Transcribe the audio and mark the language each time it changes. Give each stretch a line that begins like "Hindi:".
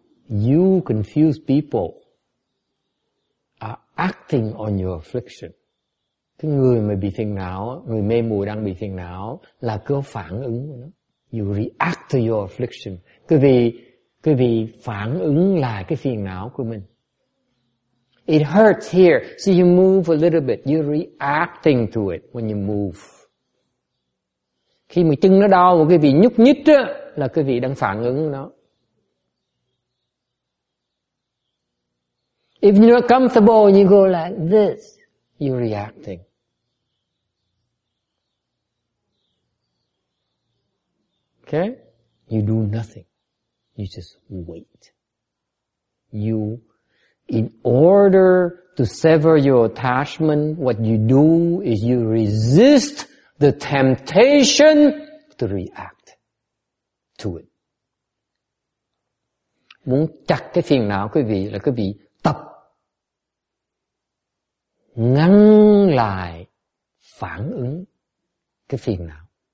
English: You confused people are acting on your affliction.
Vietnamese: Cái người mà bị phiền não, người mê muội đang bị phiền não là cứ phản ứng của nó.
English: You react to your affliction.
Vietnamese: Quý vị phản ứng lại cái phiền não của mình.
English: It hurts here, so you move a little bit. You're reacting to it when you move.
Vietnamese: Khi mà chân nó đau mà quý vị nhúc nhích á, là quý vị đang phản ứng nó.
English: If you're not comfortable, you go like this, you're reacting. Okay? You do nothing. You just wait. You, in order to sever your attachment, what you do is you resist the temptation to react to it.
Vietnamese: Muốn chặt cái phiền não quý vị là quý vị tập ngăn lại phản ứng cái phiền não.